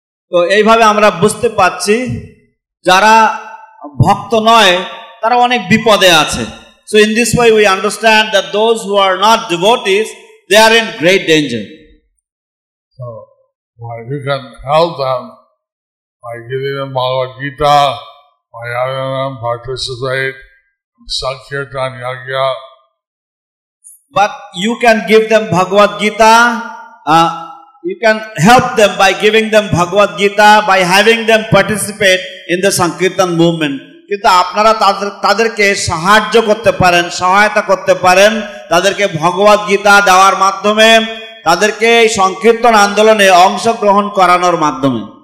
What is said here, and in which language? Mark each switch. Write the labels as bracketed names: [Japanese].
[Bangla] তো এইভাবে আমরা বুঝতে পারছি যারা ভক্ত নয় তারা অনেক বিপদে আছে। [English] So in this way we understand that those who are not devotees, they are in great danger. So well, you can help them by giving them Bhagavad Gita, by having them participate in Sankirtan Yajna. But you can give them Bhagavad Gita, you can help them by giving them Bhagavad Gita, by having them participate in the Sankirtan movement. [Bangla] কিন্তু আপনারা তাদেরকে সাহায্য করতে পারেন, সহায়তা করতে পারেন, তাদেরকে ভগবদ গীতা দেওয়ার মাধ্যমে, তাদেরকে এই সংকীর্তন আন্দোলনে অংশগ্রহণ করানোর মাধ্যমে।